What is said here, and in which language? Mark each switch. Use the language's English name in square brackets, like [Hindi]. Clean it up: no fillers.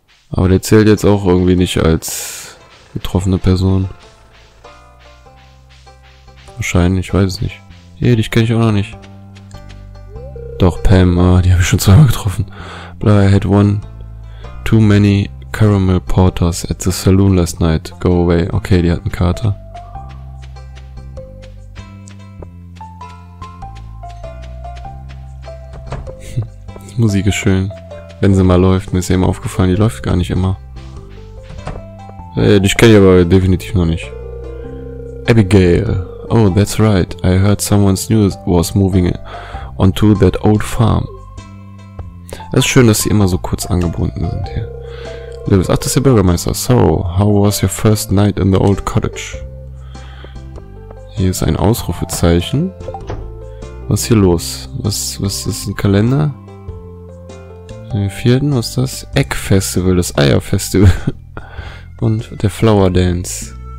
[German] Aber der zählt jetzt auch irgendwie nicht als betroffene Person. Wahrscheinlich, weiß es nicht. Hier, dich kenne ich auch noch nicht. Doch, Pam, oh, die habe ich schon zweimal getroffen. [English] Blah, I had one. Too many caramel porters at the saloon last night. Go away. [German] Okay, die hat einen Kater. Musik ist schön. Wenn sie mal läuft. Mir ist eben aufgefallen, die läuft gar nicht immer. Dich kenne ich aber definitiv noch nicht. Abigail. [English] Oh, that's right. I heard someone's news was moving onto that old farm. [German] Es ist schön, dass sie immer so kurz angebunden sind hier. Lewis, ach, das ist der Bürgermeister. [English] So, how was your first night in the old cottage? [German] Hier ist ein Ausrufezeichen. Was ist hier los? Was ist ein Kalender? Im vierten, was ist das? Egg Festival, das Eier Festival. Und der Flower Dance.